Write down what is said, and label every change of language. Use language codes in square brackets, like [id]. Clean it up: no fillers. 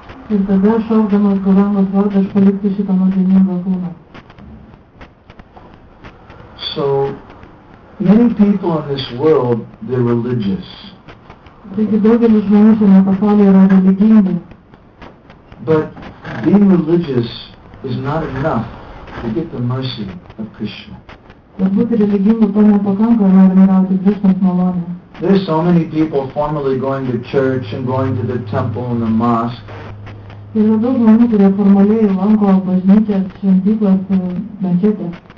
[lt] Ir tada šaukdamas Goranga vardą, aš palikti šitą nuodėmingą kūną. [en] So, many people in this world, they're religious. [lt] Taigi daugelis žmonių šiame pasaulyje yra religingi. [en] But being religious is not enough to get the mercy of Krishna. [lt] Bet būti religingu to nepakanka, ar yra tik Krishnos malonė. [en] There's so many people formally going to church and going to the temple and the mosque. [lt] Yra daug žmonių, kurie formaliai lanko bažnyčias, šventyklas, mečetės.